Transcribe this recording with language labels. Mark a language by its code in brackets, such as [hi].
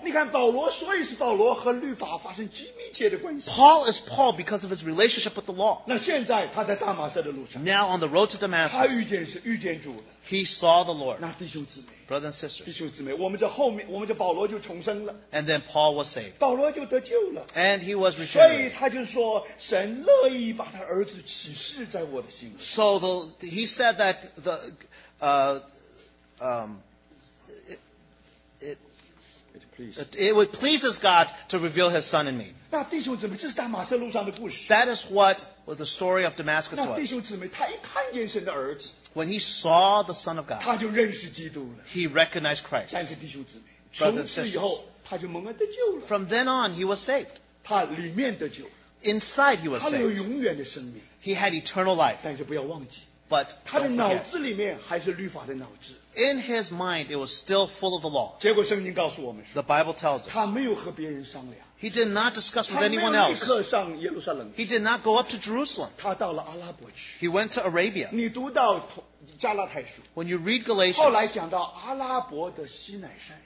[zh] 你看保罗，所以是保罗和律法发生极密切的关系。 [en] Paul is Paul because of his relationship with the law. [zh] 那现在他在大马色的路上。 [en] Now on the road to Damascus. [zh] 他遇见主了。 [en] He saw the Lord. [zh] 那弟兄姊妹 [en] Brothers and sisters. [zh] 弟兄姊妹我们在后面我们就保罗就重生了 [en] And then Paul was saved. [zh] 保罗就得救了 [en] And he was regenerated. [zh] 所以他就说神乐意把他儿子启示在我的心里 [en] So the, he said that the, it would please God to reveal his son in me. [zh] 那弟兄姊妹这是大马色路上的故事 [en] That is what was the story of Damascus was. [zh] 那弟兄姊妹他一看见神的儿子 [en] When he saw the Son of God, [zh] 他就认识基督了 [en] he recognized Christ. [zh] 但是弟兄姊妹从此以后他就蒙恩得救了 [en] From then on, he was saved. [zh] 他里面得救 [en] Inside, he was saved. [zh] 他有永远的生命 [en] He had eternal life. [zh] 但是不要忘记 [en] But [zh] 他的脑子里面还是律法的脑子 [en] In his mind, it was still full of the law. [zh] 结果圣经告诉我们 [en] The Bible tells us. [zh] 他没有和别人商量 [en] He did not discuss with anyone else. [zh] 他没有立刻上耶路撒冷 [en] He did not go up to Jerusalem. [zh] 他到了阿拉伯去 [en] He went to Arabia. [zh] 你读到加拉太书 [en] When you read Galatians, [zh] 后来讲到阿拉伯的西乃山